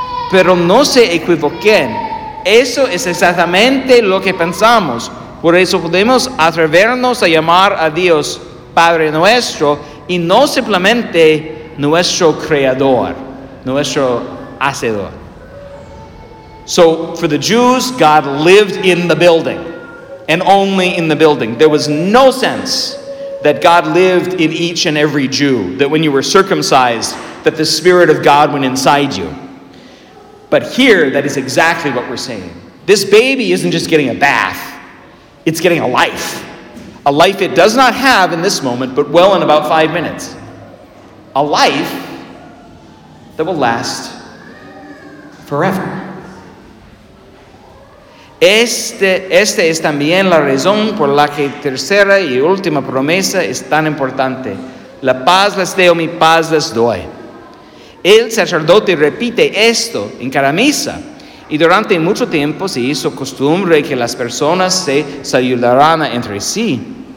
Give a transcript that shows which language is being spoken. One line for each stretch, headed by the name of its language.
Spanish: Pero no se equivoquen. Eso es exactamente lo que pensamos. Por eso podemos atrevernos a llamar a Dios Padre Nuestro y no simplemente nuestro Creador, nuestro Hacedor.
English: So for the Jews, God lived in the building and only in the building. There was no sense that God lived in each and every Jew, that when you were circumcised, that the Spirit of God went inside you. But here, that is exactly what we're saying. This baby isn't just getting a bath. It's getting a life it does not have in this moment, but well in about 5 minutes, a life that will last forever.
Spanish: Este es también la razón por la que tercera y última promesa es tan importante. La paz les dejo, mi paz les doy. El sacerdote repite esto en cada misa. Y durante mucho tiempo se hizo costumbre que las personas se saludaran entre sí.